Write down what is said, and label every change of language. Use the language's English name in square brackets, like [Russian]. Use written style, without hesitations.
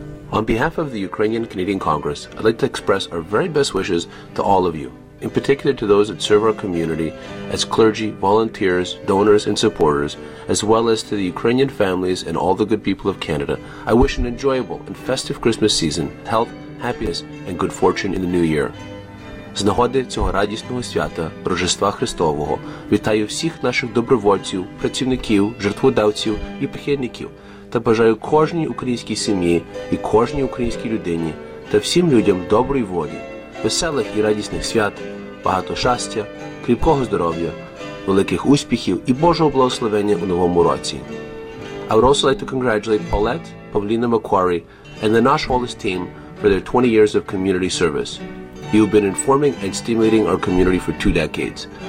[English] On behalf of the Ukrainian-Canadian Congress, I'd like to express our very best wishes to all of you, in particular to those that serve our community as clergy, volunteers, donors, and supporters, as well as to the Ukrainian families and all the good people of Canada. I wish an enjoyable and festive Christmas season, health, happiness, and good fortune in the new year. [Ukrainian] З нагоди цього радісного свята, Рождества Христового, вітаю всіх наших добровольців, працівників, жертводавців і прихильників, та бажаю кожній українській сім'ї і кожній українській людині та всім людям доброї волі, веселих і радісних свят, багато щастя, кріпкого здоров'я, великих успіхів і Божого благословення у новому році. [English] I would also like to congratulate Paulette, Pavlina Macquarie, and the Nash Wallace team for their 20 years of community service. You have been informing and stimulating our community for 2 decades.